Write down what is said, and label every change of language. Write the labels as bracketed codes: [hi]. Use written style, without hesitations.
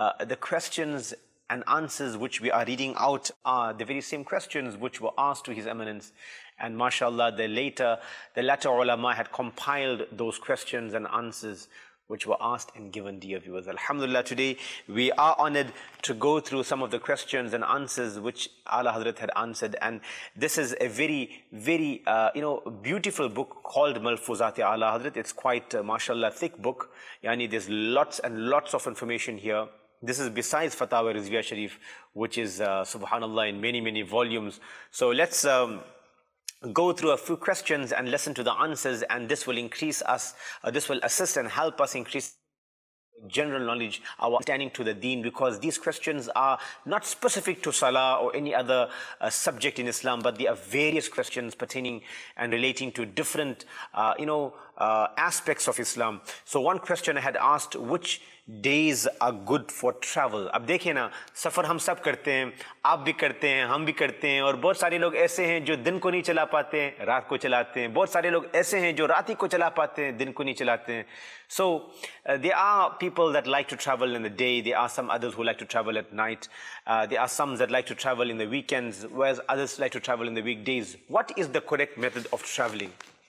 [en] the questions and answers which we are reading out are the very same questions which were asked to His Eminence and mashallah the later ulama had compiled those questions and answers which were asked and given dear viewers alhamdulillah today we are honored to go through some of the questions and answers which ala hazrat had answered and this is a very beautiful book called malfuzat e ala hazrat it's quite mashallah thick book yani there's lots and lots of information here This is besides Fatawa Rizviya Sharif, which is, subhanAllah, in many, many volumes. So let's go through a few questions and listen to the answers, and this will increase us, this will assist and help us increase general knowledge, our understanding to the deen, because these questions are not specific to Salah or any other subject in Islam, but they are various questions pertaining and relating to different, aspects of Islam. So one question I had asked, which days are good for travel. [ur] اب دیکھیں نا سفر ہم سب کرتے ہیں آپ بھی کرتے ہیں ہم بھی کرتے ہیں اور بہت سارے لوگ ایسے ہیں جو دن کو نہیں چلا پاتے ہیں رات کو چلاتے ہیں بہت سارے لوگ ایسے ہیں جو رات ہی کو چلا پاتے ہیں دن کو نہیں چلاتے ہیں [en] so they are people that like to travel in the day they are some others who like to travel at night they are some that like to travel in the weekends where others like to travel in the weekdays what is the correct method of travelling